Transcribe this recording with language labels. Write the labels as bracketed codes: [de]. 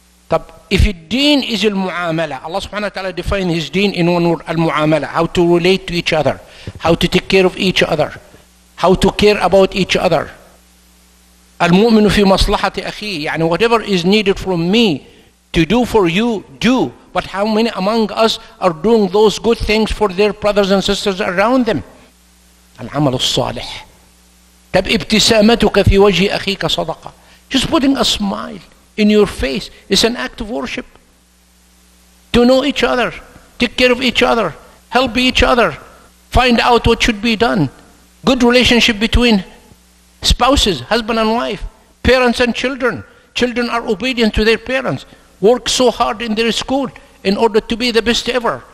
[ar] طب [en] if الدين is المعاملة, Allah subhanahu wa ta'ala define his deen in one word, المعاملة, how to relate to each other, how to take care of each other, how to care about each other. [ar] المؤمن في مصلحة أخيه, يعني [en] whatever is needed from me to do for you, do. But how many among us are doing those good things for their brothers and sisters around them? [ar] العمل الصالح. تب ابتسامتك في وجه أخيك صدقة. [en] Just putting a smile in your face is an act of worship. To know each other, take care of each other, help each other, find out what should be done. Good relationship between spouses, husband and wife, parents and children. Children are obedient to their parents. Work so hard in their school in order to be the best ever.